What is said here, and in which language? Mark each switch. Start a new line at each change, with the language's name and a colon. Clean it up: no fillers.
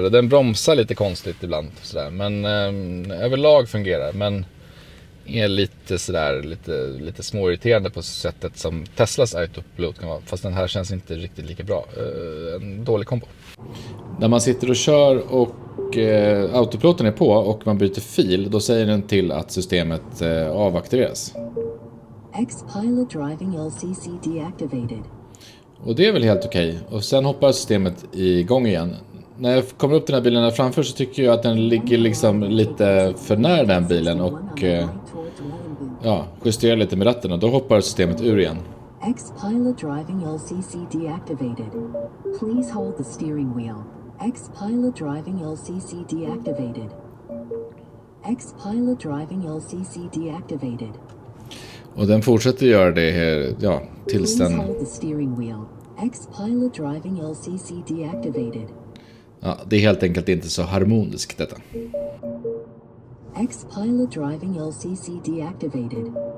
Swedish: Den bromsar lite konstigt ibland sådär, men överlag fungerar, men är lite sådär lite småirriterande på sättet som Teslas Autopilot kan vara, fast den här känns inte riktigt lika bra. En dålig kombo. När man sitter och kör och autopiloten är på och man byter fil, då säger den till att systemet avaktiveras.
English: X-Pilot driving LCC deactivated.
Swedish: Och det är väl helt okej. Och sen hoppar systemet igång igen. När jag kommer upp den här bilen här framför så tycker jag att den ligger liksom lite för nära den bilen. Och ja, justerar lite med ratten, och då hoppar systemet ur igen.
English: X-Pilot driving LCC deactivated. Please hold the steering wheel. X-Pilot driving LCC deactivated. X-Pilot driving LCC deactivated.
Swedish: Och den fortsätter göra det här, ja, tills den...
English: X-Pilot driving LCC deactivated.
Swedish: Ja, det är helt enkelt inte så harmoniskt detta.
English: X-Pilot driving LCC deactivated.